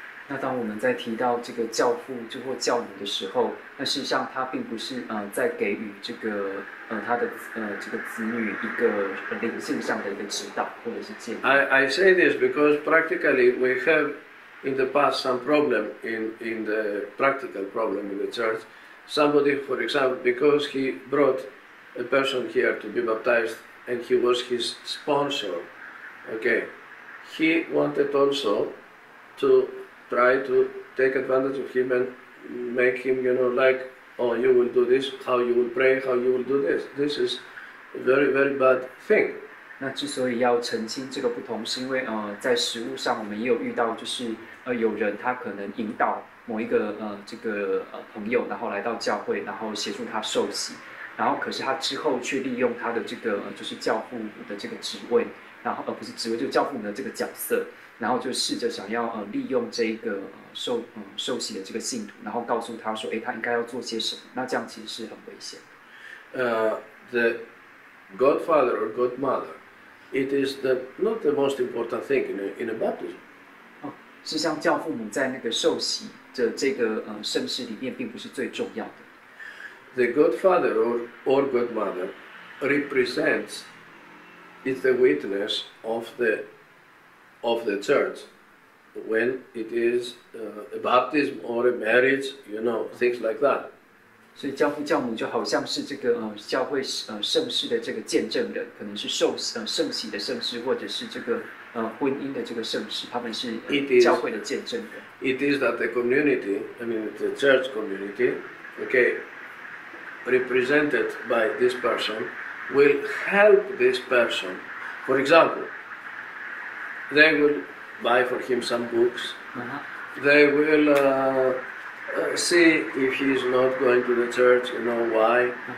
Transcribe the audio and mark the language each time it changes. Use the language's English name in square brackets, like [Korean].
[Chinese] 那当我们在提到这个教父就或教母的时候，那事实上他并不是在给予这个他的这个子女一个灵性上的一个指导或者是建议。 [English] I say this because practically we have in the past some problem in the practical problem in the church. Somebody, for example, because he brought a person here to be baptized and he was his sponsor, okay, he wanted also to try to take advantage of him and make him, you know, like, oh, you will do this, how you will pray, how you will do this. This is a very, very bad thing. [Chinese] 那之所以要澄清这个不同，是因为在实务上我们也有遇到，就是有人他可能引导某一个这个朋友，然后来到教会，然后协助他受洗，然后可是他之后却利用他的这个就是教父的这个职位，然后不是职位，就是教父的这个角色，然后就试着想要利用这一个受洗的这个信徒，然后告诉他说，哎，他应该要做些什么？那这样其实是很危险的。 [English] The Godfather or Godmother. It is not the most important thing in a baptism. [Chinese] 是像教父母在那个受洗的这个圣事里面，并不是最重要的。 [English] The Godfather or Godmother represents is the witness of the church when it is a baptism or a marriage, you know, things like that. [Chinese] 所以教父教母就好像是这个教会圣事的这个见证人，可能是受圣洗的圣事，或者是这个婚姻的这个圣事，他们是教会的见证人。 [English] It is that the community, I mean the church community, okay, represented by this person, will help this person For example, they will buy for him some books. They will see if he is not going to the church, you know why.